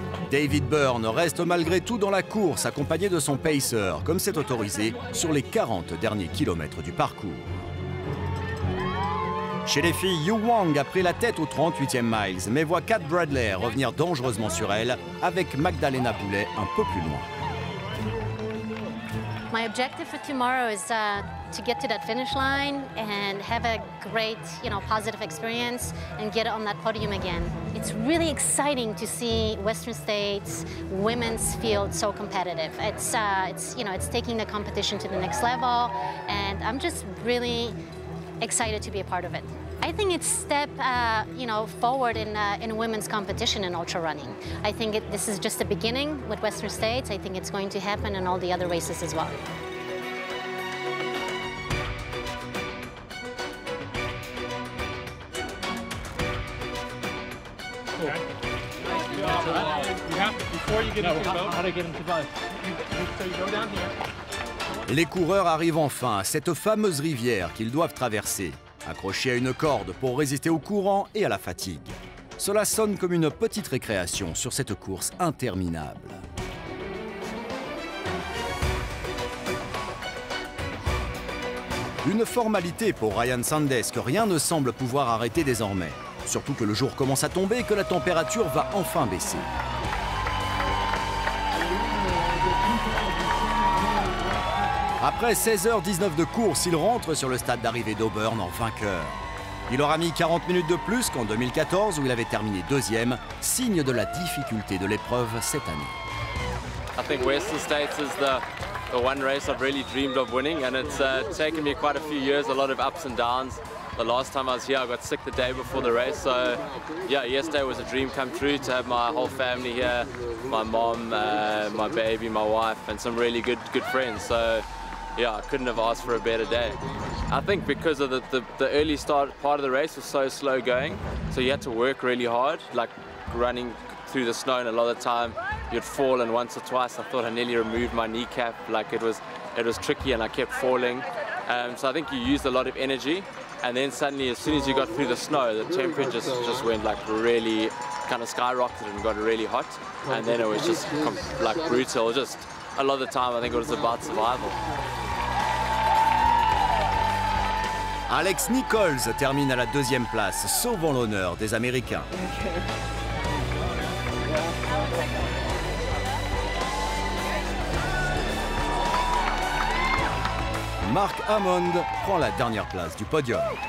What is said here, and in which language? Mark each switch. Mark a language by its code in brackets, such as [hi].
[fr] David Byrne reste malgré tout dans la course, accompagné de son pacer, comme c'est autorisé, sur les 40 derniers kilomètres du parcours. Chez les filles, Yu Wang a pris la tête aux 38e miles, mais voit Kat Bradley revenir dangereusement sur elle, avec Magdalena Boulet un peu plus loin. [en] My objective for tomorrow is to get to that finish line and have a great, you know, positive experience and get on that podium again. It's really exciting to see Western States women's field so competitive. It's you know, it's taking the competition to the next level, and I'm just really excited to be a part of it. I think it's a step forward in women's competition in ultra running. I think this is just the beginning with Western States. I think it's going to happen in all the other races as well. Cool. Okay. You have, before you get into the boat, how to get into the boat. So you go down here. [fr] Les coureurs arrivent enfin à cette fameuse rivière qu'ils doivent traverser. Accrochés à une corde pour résister au courant et à la fatigue. Cela sonne comme une petite récréation sur cette course interminable. Une formalité pour Ryan Sandes que rien ne semble pouvoir arrêter désormais. Surtout que le jour commence à tomber et que la température va enfin baisser. Après 16h19 de course, il rentre sur le stade d'arrivée d'Auburn en vainqueur. Il aura mis 40 minutes de plus qu'en 2014, où il avait terminé deuxième, signe de la difficulté de l'épreuve cette année. [en] I think Western States is the one race I've really dreamed of winning, and it's taken me quite a few years, a lot of ups and downs. The last time I was here, I got sick the day before the race, so yeah, yesterday was a dream come true to have my whole family here, my mom, my baby, my wife, and some really good friends. So yeah, I couldn't have asked for a better day. I think because of the early start part of the race was so slow going, so you had to work really hard, like running through the snow, and a lot of the time you'd fall, and once or twice I thought I nearly removed my kneecap, like it was tricky and I kept falling. So I think you used a lot of energy, and then suddenly as soon as you got through the snow, the temperature just went like really kind of skyrocketed and got really hot, and then it was just like brutal. Just a lot of the time I think it was about survival. [fr] Alex Nichols termine à la deuxième place, sauvant l'honneur des Américains. Mark Hammond prend la dernière place du podium.